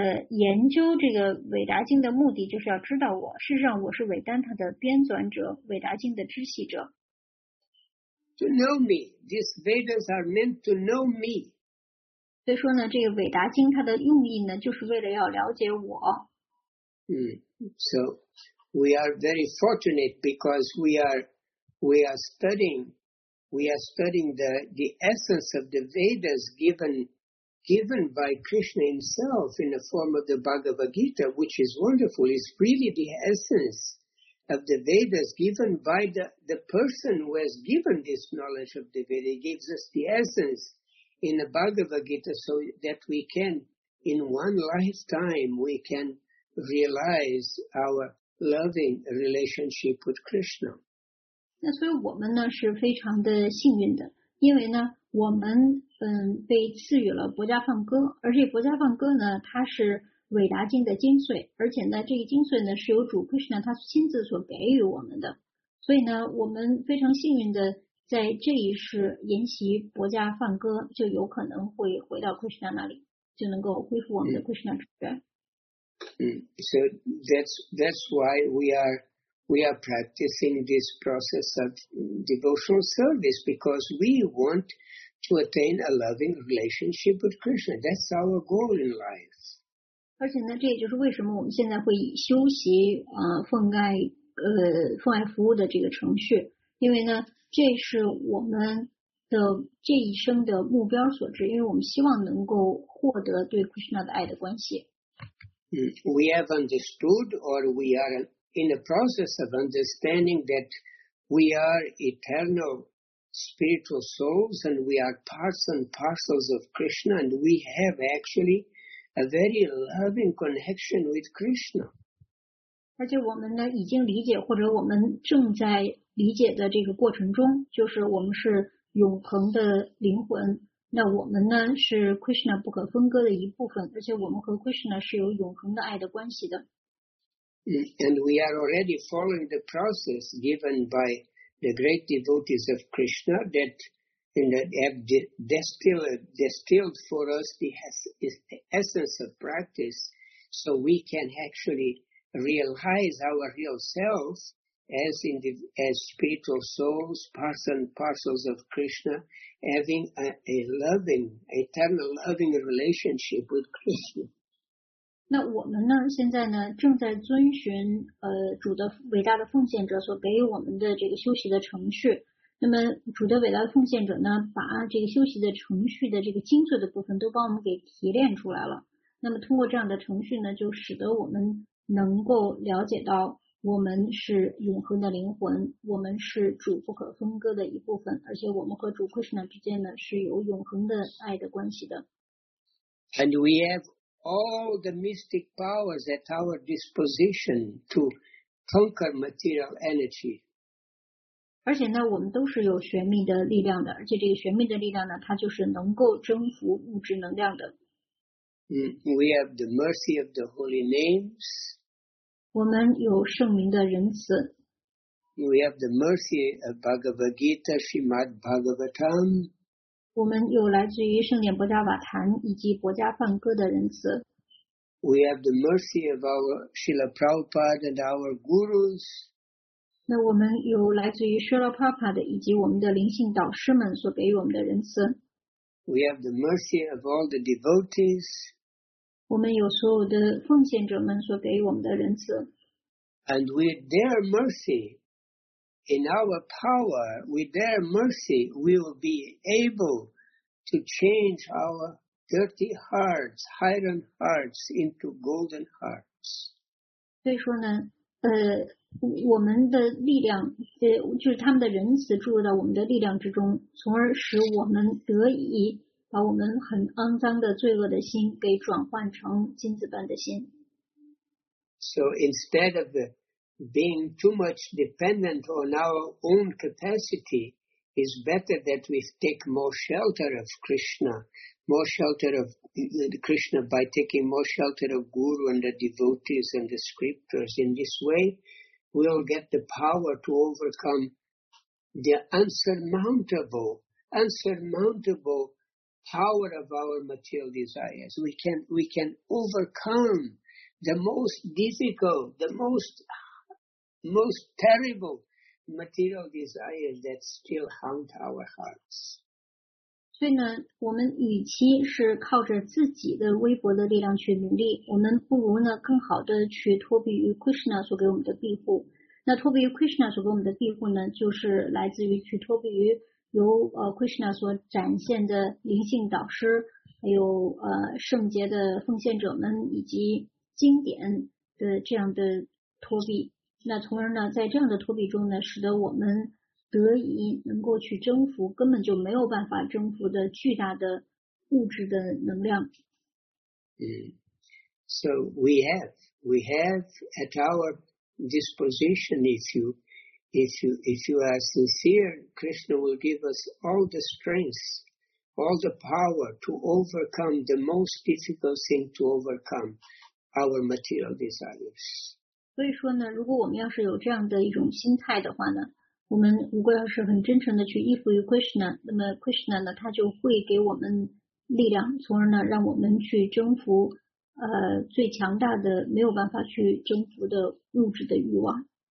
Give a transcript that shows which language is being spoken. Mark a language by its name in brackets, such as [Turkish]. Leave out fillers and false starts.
[Chinese] 研究这个韦达经的目的就是要知道我，事实上我是韦丹塔的编纂者，韦达经的知悉者。 [English] To know me, these Vedas are meant to know me. [Chinese] 所以说呢，这个韦达经它的用意呢，就是为了要了解我。 [English] So we are very fortunate because we are studying the essence of the Vedas given by Krishna himself in the form of the Bhagavad Gita, which is wonderful. It's really the essence of the Vedas given by the person who has given this knowledge of the Veda. He gives us the essence in the Bhagavad Gita so that we can, in one lifetime, we can realize our loving relationship with Krishna. [Chinese] 那所以我们呢是非常的幸运的，因为呢我们被赐予了《薄伽梵歌》，而且《薄伽梵歌》呢，它是韦达经的精髓，而且呢，这个精髓呢是由主 Krishna 他亲自所给予我们的，所以呢，我们非常幸运的在这一世研习《薄伽梵歌》，就有可能会回到 Krishna 那里，就能够恢复我们的 Krishna 之缘。 [English] So that's why we are practicing this process of devotional service because we want. To attain a loving relationship with Krishna. That's our goal in life. [Chinese] 而且呢，这也就是为什么我们现在会修习奉爱服务的这个程序，因为呢，这是我们的这一生的目标所致，因为我们希望能够获得对 Krishna 的爱的关系。 [English] We have understood or we are in the process of understanding that we are eternal. Spiritual souls, and we are parts and parcels of Krishna, and we have actually a very loving connection with Krishna. [Chinese] 而且我们呢，已经理解或者我们正在理解的这个过程中，就是我们是永恒的灵魂。那我们呢，是 Krishna 不可分割的一部分，而且我们和 Krishna 是有永恒的爱的关系的。 [English] And we are already following the process given by. The great devotees of Krishna that have distilled for us the essence of practice, so we can actually realize our real selves as spiritual souls, parts and parcels of Krishna, having a loving, eternal loving relationship with Krishna. [Chinese] 那我们呢？现在呢？正在遵循主的伟大的奉献者所给予我们的这个修习的程序。那么主的伟大的奉献者呢，把这个修习的程序的这个精髓的部分都帮我们给提炼出来了。那么通过这样的程序呢，就使得我们能够了解到，我们是永恒的灵魂，我们是主不可分割的一部分，而且我们和主 Krishna 之间呢是有永恒的爱的关系的。 [English] And we have. All the mystic powers at our disposition to conquer material energy. [Chinese] 而且呢，我们都是有玄秘的力量的，而且这个玄秘的力量呢，它就是能够征服物质能量的。 [English] We have the mercy of the holy names. [Chinese] 我们有圣名的仁慈。 [English] We have the mercy of Bhagavad Gita, Srimad Bhagavatam. [Chinese] 我们有来自于圣典博迦瓦坛以及博迦梵歌的仁慈。 [English] We have the mercy of our Srila Prabhupada and our gurus. [Chinese] 那我们有来自于 Srila Prabhupada 以及我们的灵性导师们所给予我们的仁慈。 [English] We have the mercy of all the devotees. [Chinese] 我们有所有的奉献者们所给予我们的仁慈。 [English] And with their mercy,In our power, with their mercy, we will be able to change our dirty hearts, iron hearts, into golden hearts. [Chinese] 所以说呢，我们的力量，就是他们的仁慈注入到我们的力量之中，从而使我们得以把我们很肮脏的罪恶的心给转换成金子般的心。 [English] So instead of being too much dependent on our own capacity is better that we take more shelter of Krishna, more shelter of Krishna by taking more shelter of Guru and the devotees and the scriptures. In this way, we'll get the power to overcome the unsurmountable power of our material desires. We can overcome the most difficult, the most terrible material desires that still haunt our hearts. [Chinese] 所以呢，我们与其是靠着自己的微薄的力量去努力，我们不如呢更好的去脱避于 Krishna 所给我们的庇护。那脱避于 Krishna 所给我们的庇护呢，就是来自于去脱避于由Krishna 所展现的灵性导师，还有圣洁的奉献者们以及经典的这样的脱避。那从而呢，在这样的脱离中呢，使得我们得以能够去征服根本就没有办法征服的巨大的物质的能量。 [English] So we have at our disposition. If you are sincere, Krishna will give us all the strength, all the power to overcome the most difficult thing to overcome, our material desires. [Chinese] 所以说呢，如果我们要是有这样的一种心态的话呢，我们如果要是很真诚的去依附于 Krishna， 那么 Krishna 呢，他就会给我们力量，从而呢，让我们去征服最强大的没有办法去征服的物质的欲望。